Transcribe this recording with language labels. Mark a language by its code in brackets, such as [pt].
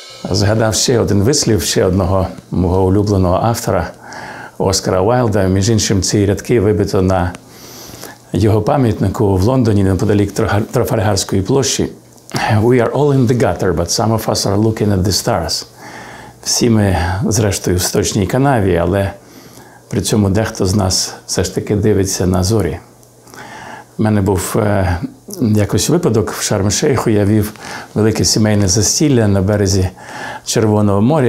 [uk] Згадав ще один вислів, ще одного мого улюбленого автора, Оскара Уайлда. Між іншим, ці рядки вибито на його пам'ятнику в Лондоні, неподалік Трафальгарської площі. [en] «We are all in the gutter, but some of us are looking at the stars». [uk] Всі ми, зрештою, в сточній канаві, але при цьому дехто з нас все ж таки дивиться на зорі. У мене був якось випадок в Шарм-Шейху. Я вів велике сімейне застілля на березі Червоного моря.